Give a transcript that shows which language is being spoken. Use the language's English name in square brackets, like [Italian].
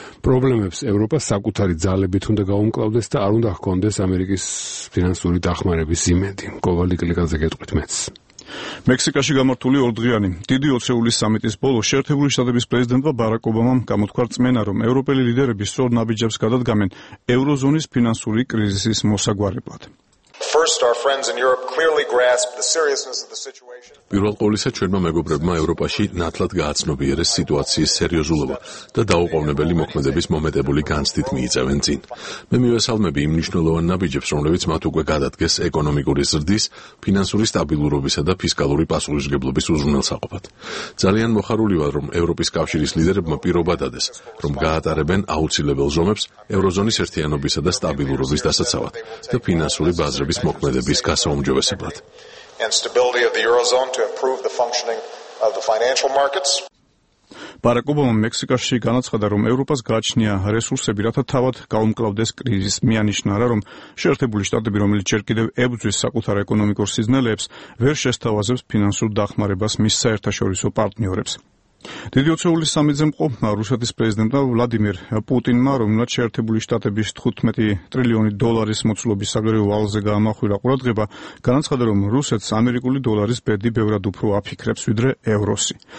[Georgian] პრობლემებს ევროპას საკუთარი ძალებით უნდა გაუმკლავდეს და არ უნდა ჰქონდეს ამერიკის ფინანსური დახმარების იმედი. კოვალი კლიკაძე გეტყვით მეც. მექსიკაში გამართული ორდღიანი დიდი ოცეულის სამიტის ბოლოს შეერთებული შტატების პრეზიდენტმა ბარაკ ობამამ გამოთქვა რწმენა, რომ ევროპელი ლიდერები სწორ ნაბიჯებს გადადგამენ ევროზონის ფინანსური კრიზისის მოსაგვარებლად. [English] First our friends in Europe clearly grasped the seriousness of the situation. [Georgian] პირველ ყოვლისა ჩვენმა მეგობრებმა ევროპაში ნათლად გააცნობიერეს სიტუაციის სერიოზულობა და დაუყოვნებელი მოქმედების მომენტებული განცდით მიიწევენ წინ. მე მივესალმები იმ მნიშვნელოვან ნაბიჯებს, რომლებიც მათ უკვე გადადგეს ეკონომიკური ზრდის, ფინანსური სტაბილურობისა და ფისკალური პასუხისმგებლობის უზრუნველსაყოფად. ძალიან მოხარული ვარ, რომ ევროპის კავშირის ლიდერებმა პირობა დადეს, რომ გაატარებენ აუცილებელ ზომებს ევროზონის ერთიანობისა და სტაბილურობის დასაცავად და ფინანსური ბაზა ის მოქმედების გასაუმჯობესებლად. [English] And stability of the eurozone to improve the functioning of the financial markets. [Georgian] ბარაკ ობამა მექსიკაში განაცხადა, რომ ევროპას გააჩნია რესურსები, რათა თავად გაუმკლავდეს კრიზისს. მიანიშნა რა, რომ შეერთებული შტატები, რომელიც ჯერ კიდევ ებრძვის საკუთარ ეკონომიკურ სიძნელეებს, ვერ შესთავაზებს ფინანსურ დახმარებას მის საერთაშორისო პარტნიორებს. დიდი ოცეულის სამიზე მყოფ რუსეთის პრეზიდენტმა ვლადიმერ პუტინმა, რომელმაც შეერთებული შტატების 15 ტრილიონი დოლარის მოცულობის საგარეო ვალზე გაამახვილა ყურადღება, განაცხადა, რომ რუსეთს ამერიკული დოლარის ბედი ბევრად უფრო აფიქრებს, ვიდრე ევროსი.